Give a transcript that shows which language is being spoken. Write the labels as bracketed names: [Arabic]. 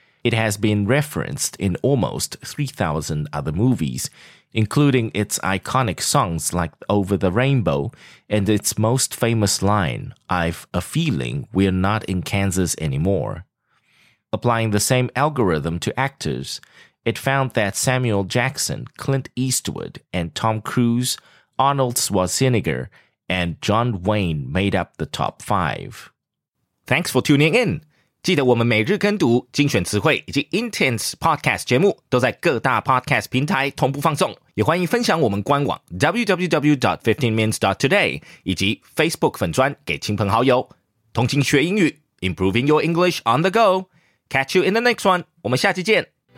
[English] It has been referenced in almost 3,000 other movies, including its iconic songs like Over the Rainbow and its most famous line, I've a feeling we're not in Kansas anymore. Applying the same algorithm to actors, it found that Samuel Jackson, Clint Eastwood, and Tom Cruise, Arnold Schwarzenegger, and John Wayne made up the top five. Thanks for tuning in! [Chinese] 记得我们每日跟读精选词汇以及 Intense Podcast 节目都在各大 Podcast 平台同步放送，也欢迎分享我们官网 www.15minutes.today 以及 Facebook 粉专给亲朋好友。同情学英语 [English] Improving your English on the go. Catch you in the next one. [Chinese] 我们下期见。